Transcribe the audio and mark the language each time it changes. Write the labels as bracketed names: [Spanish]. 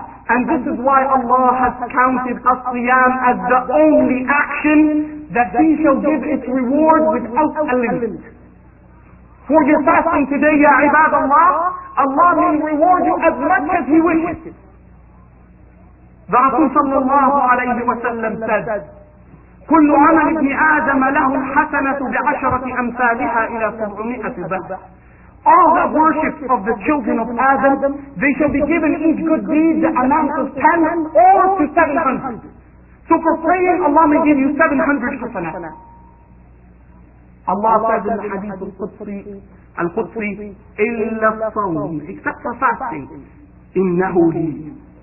[English] And this is why Allah has counted as-siyam as the only action that he shall give its reward without a limit. For your fasting today, ya ibad Allah, Allah may reward you as much as he wishes. The Rasul sallallahu alayhi wa sallam said, [Arabic] كل عمل ابن آدم له الحسنة بعشرة أمثالها إلى 700 ذبح. [English] All the worship of the children of Adam, they shall be given each good deed the amount of 10 or to 700. So for praying, Allah may give you 700 حسنة. Allah said in the hadith al-Qudsi, [Arabic] إِلَّا الصَّوْمِ [English] except for fasting, [Arabic] إِنَّهُ لِي.